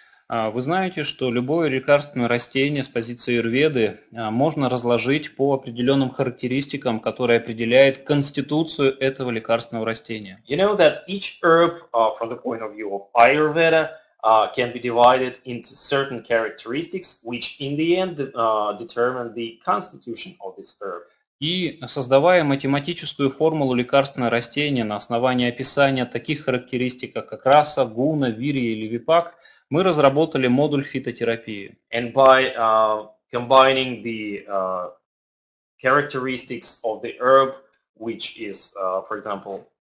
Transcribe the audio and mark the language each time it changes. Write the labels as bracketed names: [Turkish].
[Russian] Вы знаете, что любое лекарственное растение с позиции аюрведы можно разложить по определенным характеристикам, которые определяют конституцию этого лекарственного растения. [English] You know that each herb, from the point of view of Ayurveda, can be divided into certain characteristics, which in the end determine the constitution of this herb. [Russian] И создавая математическую формулу лекарственного растения на основании описания таких характеристик, как раса, гуна, вирья или випак, мы разработали модуль фитотерапии. [English] And by combining the characteristics of the herb, which is, for example,